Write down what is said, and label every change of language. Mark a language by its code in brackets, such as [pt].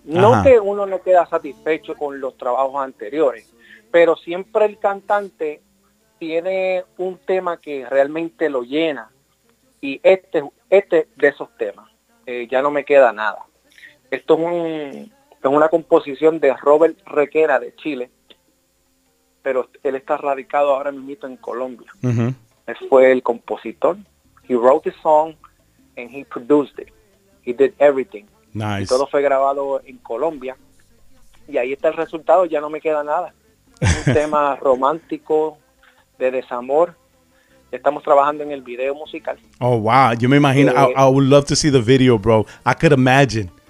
[es] No que uno no queda satisfecho con los trabajos anteriores, pero siempre el cantante tiene un tema que realmente lo llena. Y este de esos temas, Ya no me queda nada. Esto es una composición de Robert Requena de Chile, pero él está radicado ahora mismo en Colombia. Él fue el compositor. [en] He wrote the song and he produced it. He did everything. Nice. [es] Y todo fue grabado en Colombia. Y ahí está el resultado, ya no me queda nada. Un tema romántico, de desamor. Estamos trabajando en el video musical. [en] Oh, wow. [es] Yo me imagino, [en] I would love to see the video, bro. I could imagine.